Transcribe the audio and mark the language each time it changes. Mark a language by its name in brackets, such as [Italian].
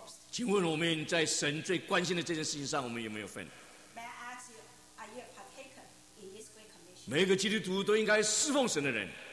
[Chinese] 请问我们在神最关心的这件事情上，我们有没有份？ [English] May I ask you, are you a partaker [Chinese] 每个基督徒都应该侍奉神的人。